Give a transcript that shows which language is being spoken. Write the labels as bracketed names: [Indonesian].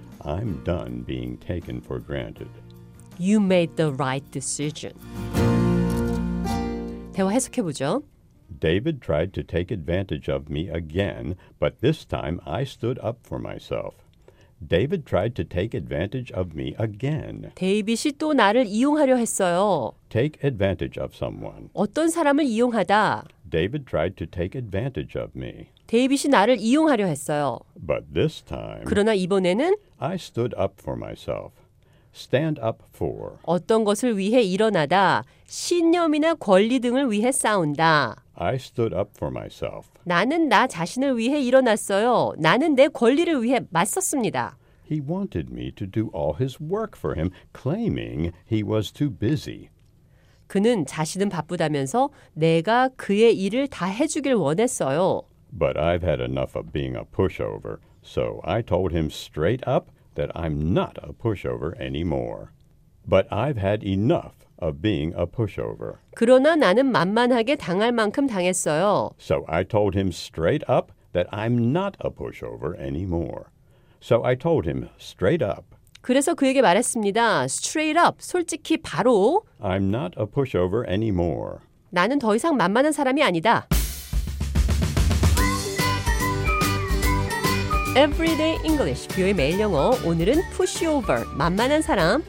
[English] I'm done being taken for granted. You made the right decision. [Korean] 대화 해석해보죠. [English] David tried to take advantage of me again, but this time I stood up for myself. David tried to take advantage of me again. [Korean] 데이빗이 또 나를 이용하려 했어요. [English] Take advantage of someone. [Korean] 어떤 사람을 이용하다. [English] David tried to take advantage of me. [Korean] 데이빗이 나를 이용하려 했어요. [English] But this time, [Korean] 그러나 이번에는 [English] I stood up for myself. Stand up for. [Korean] 어떤 것을 위해 일어나다. 신념이나 권리 등을 위해 싸운다. [English] I stood up for myself. [Korean] 나는 나 자신을 위해 일어났어요. 나는 내 권리를 위해 맞섰습니다. [English] He wanted me to do all his work for him, claiming he was too busy. [Korean] 그는 자신은 바쁘다면서 내가 그의 일을 다 해주길 원했어요. [English] But I've had enough of being a pushover, so I told him straight up that I'm not a pushover anymore. But I've had enough of being a pushover. [Korean] 그러나 나는 만만하게 당할 만큼 당했어요. [English] So I told him straight up that I'm not a pushover anymore. So I told him straight up. [Korean] 그래서 그에게 말했습니다. [English] Straight up, [Korean] 솔직히 바로. [English] I'm not a pushover anymore. [Korean] 나는 더 이상 만만한 사람이 아니다. [English] Everyday English, [Korean] 뷰의 매일 영어. 오늘은 pushover, 만만한 사람.